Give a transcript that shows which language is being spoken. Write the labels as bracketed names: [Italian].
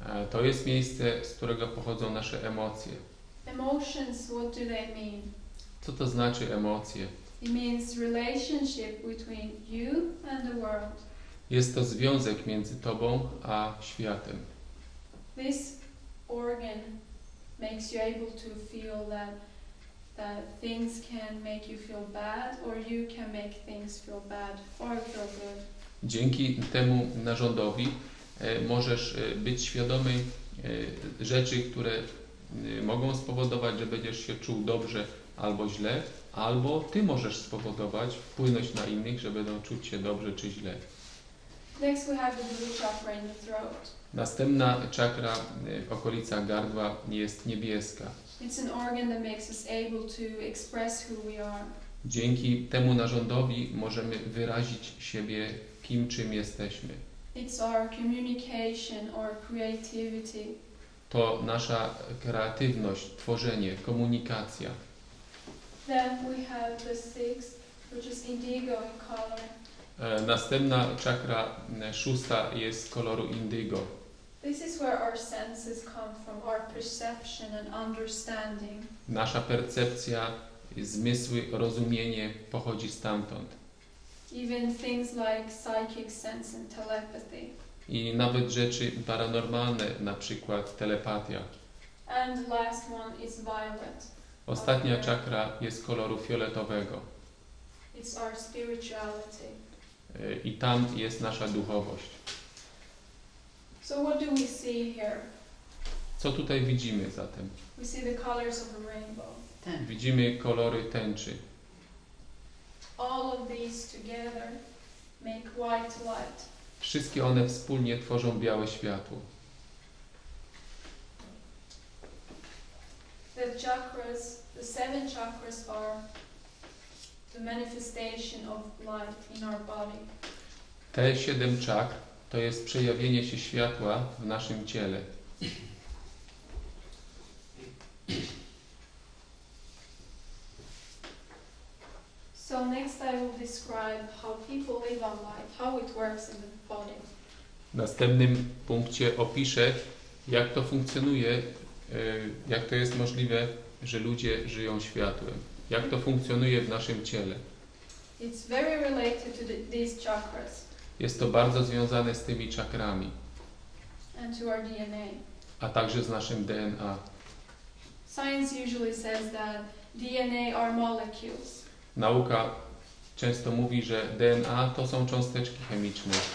[Polish] To jest miejsce, z którego pochodzą nasze emocje. [English] Emotions, what do they mean? [Polish] Co to znaczy emocje? [English] It means relationship between you and the world. [Polish] Jest to związek między tobą a światem. [English] This organ makes you able to feel that things can make you feel bad, or you can make things feel bad or feel good. [Polish] Dzięki temu narządowi możesz być świadomy rzeczy, które mogą spowodować, że będziesz się czuł dobrze albo źle, albo ty możesz spowodować, wpłynąć na innych, że będą czuć się dobrze czy źle. [English] Next we have the blue chakra in the throat. [Polish] Następna czakra, okolica gardła, jest niebieska. [English] It's an organ that makes us able to express who we are. [Polish] Dzięki temu narządowi możemy wyrazić siebie, kim czym jesteśmy. [English] It's our communication or creativity. [Polish] To nasza kreatywność, tworzenie, komunikacja. [English] Then we have the sixth, which is indigo in color. [Polish] Następna czakra, szósta, jest koloru indigo. [English] This is where our senses come from, our perception and understanding. [Polish] Nasza percepcja, zmysły, rozumienie pochodzi stamtąd. [English] Even things like psychic sense and telepathy. [Polish] I nawet rzeczy paranormalne, na przykład telepatia. [English] And last one is violet. [Polish] Ostatnia czakra jest koloru fioletowego. [English] It's our spirituality. [Polish] I tam jest nasza duchowość. [English] So what do we see here? [Polish] Co tutaj widzimy zatem? [English] We see the colors of a rainbow. [Polish] Widzimy kolory tęczy. [English] All of these together make white light. [Polish] Wszystkie one wspólnie tworzą białe światło. [English] The chakras, the seven chakras are the manifestation of light in our body. [Polish] Te siedem czakr to jest przejawienie się światła w naszym ciele. [English] So next I will describe how people live on light, how it works in the body. [Polish] W następnym punkcie opiszę, jak to funkcjonuje, jak to jest możliwe, że ludzie żyją światłem. Jak to funkcjonuje w naszym ciele. [English] It's very related to these chakras. [Polish] Jest to bardzo związane z tymi czakrami. [English] And to our DNA. [Polish] A także z naszym DNA. [English] Science usually says that DNA are molecules. [Polish] Nauka często mówi, że DNA to są cząsteczki chemiczne.